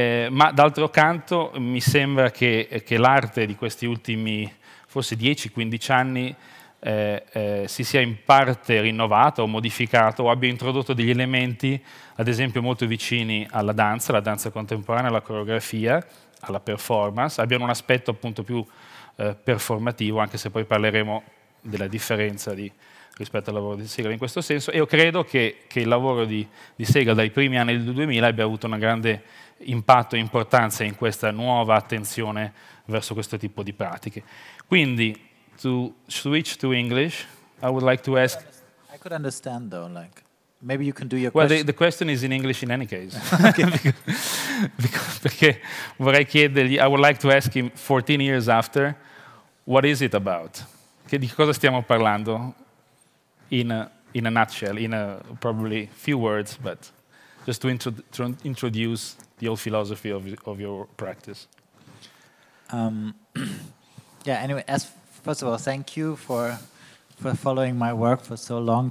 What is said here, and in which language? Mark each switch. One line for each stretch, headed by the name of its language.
Italian: Ma d'altro canto mi sembra che l'arte di questi ultimi forse 10-15 anni si sia in parte rinnovato o modificato o abbia introdotto degli elementi, ad esempio, molto vicini alla danza contemporanea, alla coreografia, alla performance, abbiano un aspetto appunto più performativo, anche se poi parleremo della differenza rispetto al lavoro di Sehgal in questo senso. Io credo che il lavoro di Sehgal dai primi anni del 2000 abbia avuto un grande impatto e importanza in questa nuova attenzione verso questo tipo di pratiche.
English: Quindi, to switch to English, I would like to ask. I could understand though, like maybe you can do your question. Well, the question is in English in any case.
Italian: Perché vorrei chiedergli,
English: I would like to ask him 14 years after, what is it about?
Italian: Di cosa stiamo parlando?
English: In a nutshell, in a probably few words, but just to introduce the old philosophy of your practice. Yeah, anyway, first of all, thank you for following my work for so long.